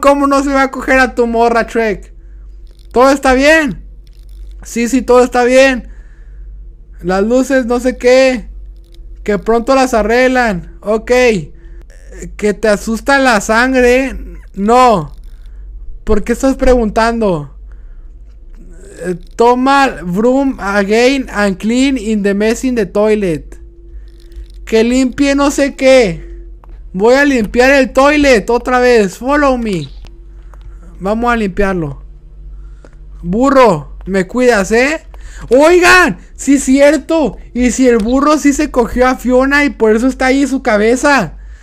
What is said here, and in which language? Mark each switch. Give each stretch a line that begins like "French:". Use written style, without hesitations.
Spanish: ¿Cómo no se va a coger a tu morra, Shrek? ¿Todo está bien? Sí, todo está bien. Las luces, no sé qué. Que pronto las arreglan. Ok. ¿Que te asusta la sangre? No. ¿Por qué estás preguntando? Toma
English: broom again and clean in the mess in the toilet.
Spanish: Que limpie no sé qué. Voy a limpiar el toilet otra vez.
English: Follow me.
Spanish: Vamos a limpiarlo. Burro, me cuidas, ¿eh? Oigan, sí es cierto. Y si el burro sí se cogió a Fiona y por eso está ahí su cabeza.